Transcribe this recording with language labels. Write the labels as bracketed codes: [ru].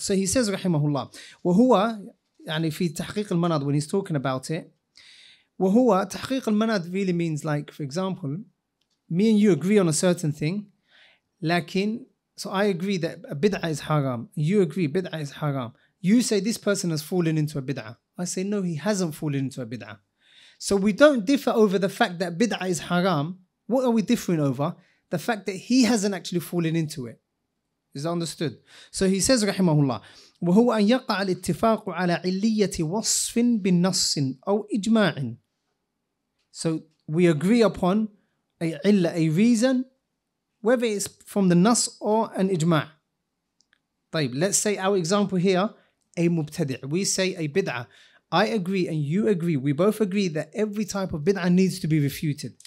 [en] So he says rahimahullah, wa huwa, yani fi tahqiq al-manad, when he's talking about it, wa huwa tahqiq al-manad really means, like, for example, me and you agree on a certain thing, lakin, so I agree that a bid'ah is haram, you agree bid'ah is haram, you say this person has fallen into a bid'ah, I say no, he hasn't fallen into a bid'ah. So we don't differ over the fact that bid'ah is haram. What are we differing over? The fact that he hasn't actually fallen into it. Is that understood? So he says, rahimahullah, [ar] وَهُوَ أَنْ يَقَعَ الْإِتِّفَاقُ عَلَىٰ عِلِّيَّةِ وَصْفٍ بِالنَّصٍ أَوْ إِجْمَاعٍ. [en] So we agree upon a illa, a reason, whether it's from the nas or an ijma'. طيب, let's say our example here, a mubtadi'. We say a bid'ah. I agree and you agree. We both agree that every type of bid'ah needs to be refuted.